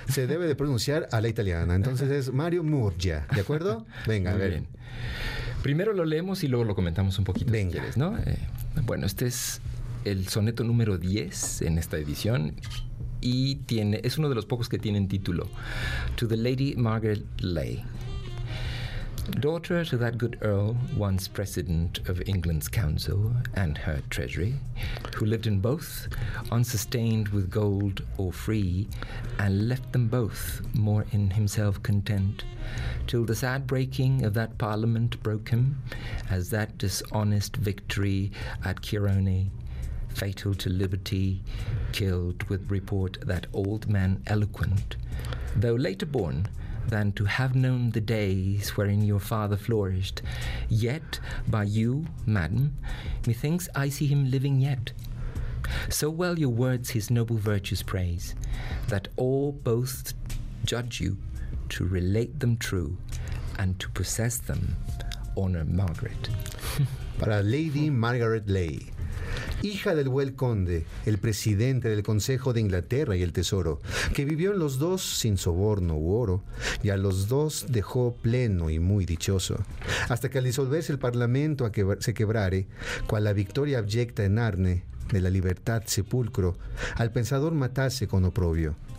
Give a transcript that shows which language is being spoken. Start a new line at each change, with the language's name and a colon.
Spanish: Se debe de pronunciar a la italiana. Entonces es Mario Murgia, ¿de acuerdo? Venga, muy a ver. Bien. Primero lo leemos y luego lo comentamos un poquito. Venga. Si quieres, ¿no? Bueno, este es el soneto número 10 en esta edición y es uno de los pocos que tienen título.
English: To the Lady Margaret Leigh. Daughter to that good earl, once president of England's council and her treasury, who lived in both, unsustained with gold or free, and left them both more in himself content, till the sad breaking of that parliament broke him, as that dishonest victory at Chironi, fatal to liberty, killed with report that old man eloquent, though later born, than to have known the days wherein your father flourished. Yet, by you, madam, methinks I see him living yet. So well your words his noble virtues praise, that all both judge you to relate them true, and to possess them, honor Margaret.
Spanish: Para Lady Margaret Leigh. Hija del buen conde, el presidente del Consejo de Inglaterra y el Tesoro, que vivió en los dos sin soborno u oro, y a los dos dejó pleno y muy dichoso, hasta que al disolverse el Parlamento se quebrare, cual la victoria abyecta en Arne, de la libertad sepulcro, al pensador matase con oprobio.